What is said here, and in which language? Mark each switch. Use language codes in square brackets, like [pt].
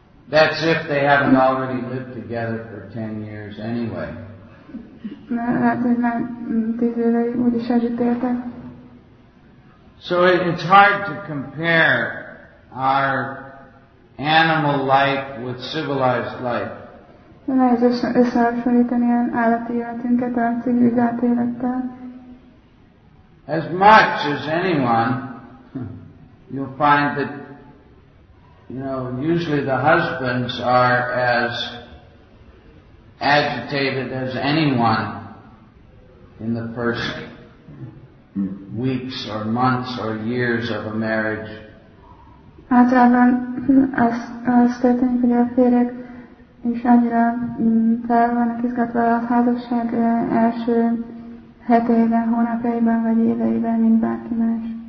[en] That's if they haven't already lived together for 10 years anyway. [hu] Lehet, hogy már 10 éve úgyis együtt éltek. [en] So it's hard to compare our animal life with civilized life. [hu] Nehéz összehasonlítani ilyen állati életünket a civilizált élettel. [en] As much as anyone, you'll find that, you know, usually the husbands are as agitated as anyone in the first weeks or months or years of a marriage. [hu] Általában azt történik, hogy a férjek is annyira fel vannak izgatva a házasság első hetében, hónapjaiban vagy éveiben, mint bárki más.